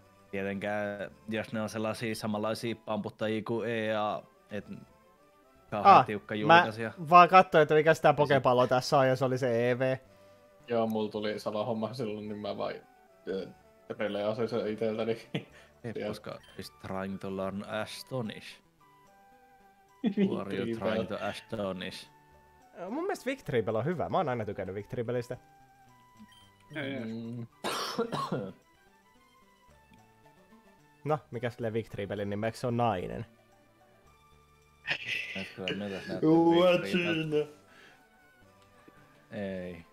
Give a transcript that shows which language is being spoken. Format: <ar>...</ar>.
<fi>Tietenkään, jos ne on sellaisia samanlaisia pamputtajia kuin EA, että kauhean tiukka julkaisija. Mä vaan katsoin, että mikä sitä pokepallo tässä on, jos oli se EV. Joo, mulla tuli sama homma silloin, niin mä vain releasin sen itseltäni. Ei koska,</fi> <en>he's trying to learn astonish. Who are you trying to astonish?</en> <fi>Mun mielestä Victory Bell on hyvä, mä oon aina tykännyt Victory Bellistä. No, mikä sille Victory Bellin nimeksi on nainen?</fi> <en>What's in the... Ei.</en>